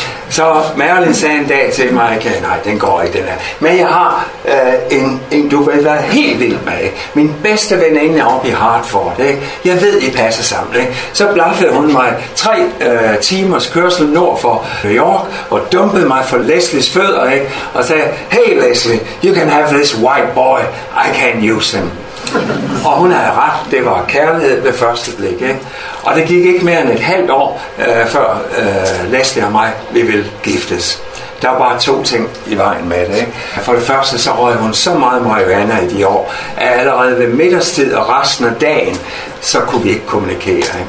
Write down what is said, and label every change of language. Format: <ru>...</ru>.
<da>Så Marilyn sagde en dag til mig, at nej, den går ikke, den her. Men jeg har en, du vil være helt vild med, ikke? Min bedste veninde oppe i Hartford. Ikke? Jeg ved, I passer sammen. Ikke? Så blaffede hun mig 3 timers kørsel nord for New York og dumpede mig for Leslies fødder, ikke? Og sagde,</da> <en>hey Leslie, you can have this white boy. I can't use him.</en> <da>Og hun havde ret, det var kærlighed ved første blik, ikke? Og det gik ikke mere end et halvt år, før Leslie og mig, vi ville giftes. Der var bare 2 ting i vejen med det, ikke? For det første, så røg hun så meget marihuana i de år, at allerede ved middagstid og resten af dagen, så kunne vi ikke kommunikere, ikke?</da>